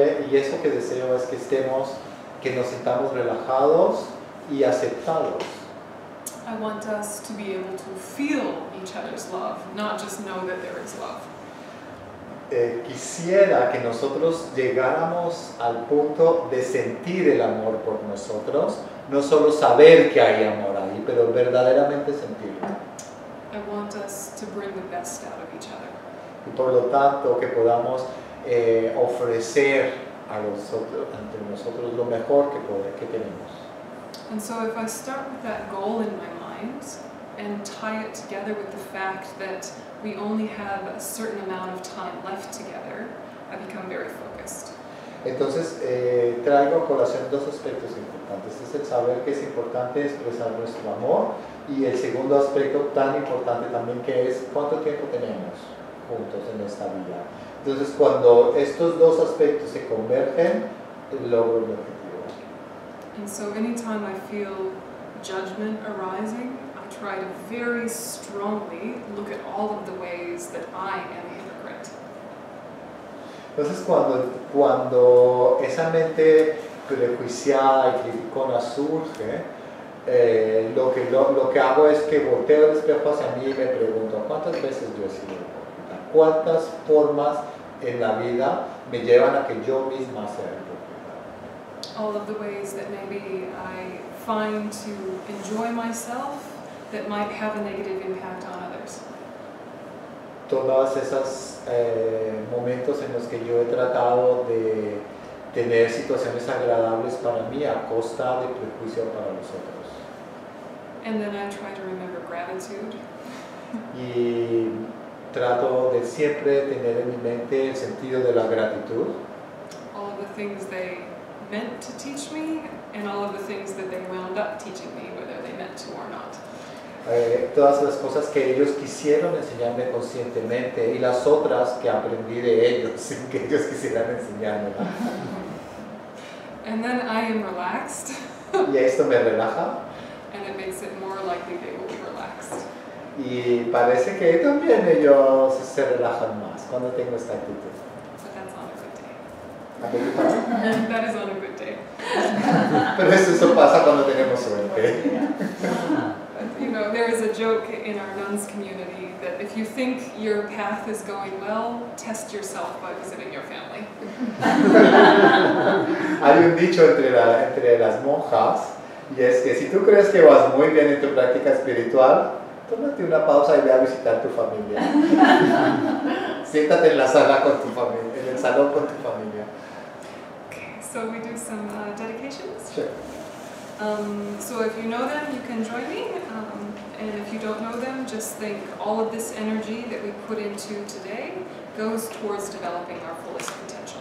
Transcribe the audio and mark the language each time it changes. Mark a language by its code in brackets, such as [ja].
[es] Y eso que deseo es que estemos, que nos sintamos relajados y aceptados. [en] I want us to be able to feel each other's love, not just know that there is love. [es] Quisiera que nosotros llegáramos al punto de sentir el amor por nosotros, no solo saber que hay amor ahí, pero verdaderamente sentirlo. [en] I want us to bring the best out of each other. [es] Y por lo tanto, que podamos ofrecer a nosotros, ante nosotros, lo mejor que tenemos. [en] And so if I start with that goal in my mind and tie it together with the fact that we only have a certain amount of time left together, I become very focused. [es] Entonces, traigo a colación dos aspectos importantes. Es el saber que es importante expresar nuestro amor, y el segundo aspecto tan importante también, que es cuánto tiempo tenemos juntos en esta vida. Entonces, cuando estos dos aspectos se convergen, logro el objetivo. [en] And so anytime I feel judgment arising, I try to very strongly look at all of the ways that I am a hypocrite. [es] Entonces, cuando esa mente prejuiciada y criticona surge, lo que hago es que volteo el espejo hacia mí y me pregunto, ¿cuántas veces yo he sido hipócrita? ¿Cuántas formas en la vida me llevan a que yo misma sea hipócrita? [en] All of the ways that maybe I find to enjoy myself that might have a negative impact on others. [es] Todas esas momentos en los que yo he tratado de tener situaciones agradables para mí a costa de prejuicio para los otros. [en] And then I try to remember gratitude. [es] Y trato de siempre tener en mi mente el sentido de la gratitud. [en] All of the things they meant to teach me and all of the things that they wound up teaching me, whether they meant to or not. [es] Todas las cosas que ellos quisieron enseñarme conscientemente y las otras que aprendí de ellos sin que ellos quisieran enseñarme. [en] And then I am relaxed. [es] Y esto me relaja. [en] And it makes it more likely they will be relaxed. [es] Y parece que también ellos se relajan más cuando tengo esta actitud. [en] But that's on a good day. That is on a good day. [es] Pero eso pasa cuando tenemos suerte. [en] You know, there is a joke in our nuns community that if you think your path is going well, test yourself by visiting your family. [es] Hay un dicho entre las monjas, y es que si tú crees que vas muy bien en tu práctica espiritual, tómate una pausa y ve a visitar tu familia. Siéntate en la sala con tu familia, en el salón con tu familia. [en] Okay, so we do some dedications. Sure. So if you know them, you can join me, and if you don't know them, just think all of this energy that we put into today goes towards developing our fullest potential.